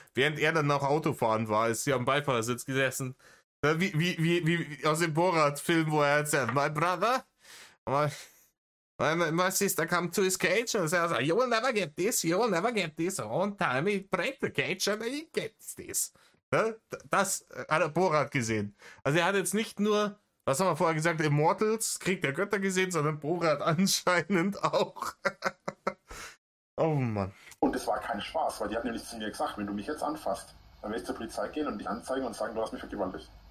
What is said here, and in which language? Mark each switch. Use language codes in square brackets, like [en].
[de] Während er dann noch Autofahren war, ist sie am Beifahrersitz gesessen. Wie aus dem Borat-Film, wo er erzählt, [en] my brother, my sister come to his cage and says, you will never get this, you will never get this. One time he break the cage and he gets this. [de] Das hat er Borat gesehen. Also er hat jetzt nicht nur, was haben wir vorher gesagt, Immortals, Krieg der Götter gesehen, sondern Borat anscheinend auch. Oh Mann. Und es war kein Spaß, weil die hat nämlich zu mir gesagt, wenn du mich jetzt anfasst, dann werde ich zur Polizei gehen und dich anzeigen und sagen, du hast mich vergewaltigt.